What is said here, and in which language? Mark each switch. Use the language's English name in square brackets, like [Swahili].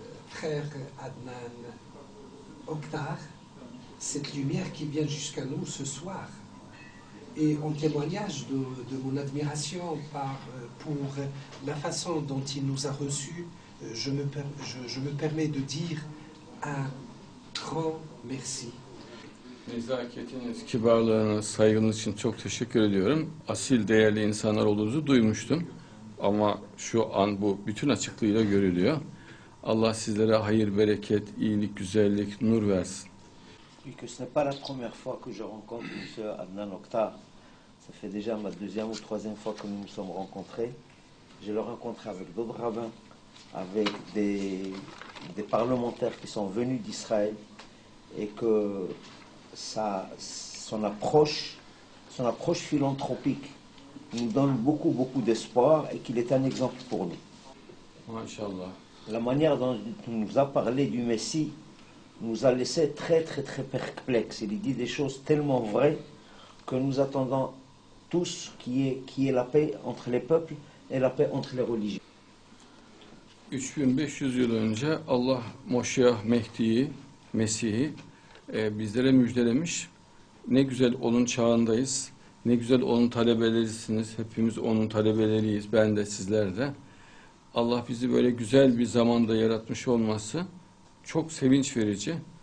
[French] Frère Adnan Oktar, cette lumière qui vient jusqu'à nous ce soir et en témoignage de mon admiration pour la façon dont il nous a reçus, je me permets de dire un grand merci. [Turkish] Nezaketiniz, kibarlığınız, saygınız için çok teşekkür ediyorum. Asil değerli insanlar olduğunuzu duymuştum ama şu an bu bütün açıklığıyla görülüyor. Allah sizlere hayır, bereket, iyilik, güzellik, nur versin. [French] Ce n'est pas la première fois que je rencontre M. Adnan Oktar. Ça fait déjà ma deuxième ou troisième fois que nous nous sommes rencontrés. Je le rencontre avec d'autres rabbins, avec des parlementaires qui sont venus d'Israël et que son approche philanthropique nous donne beaucoup, beaucoup d'espoir et qu'il est un exemple pour nous. Inch'Allah. La manière dont il nous a parlé du Messie nous a laissé très, très, très perplexes. Il dit des choses tellement vraies que nous attendons tous qui est la paix entre les peuples et la paix entre les religions. [Turkish] 3500 yıl önce Allah Moşiyah Mehdi'yi, Mesih'i bizlere müjdelemiş. Ne güzel onun çağındayız, ne güzel onun talebelerisiniz, hepimiz onun talebeleriyiz, ben de sizler de. Allah bizi böyle güzel bir zamanda yaratmış olması çok sevinç verici.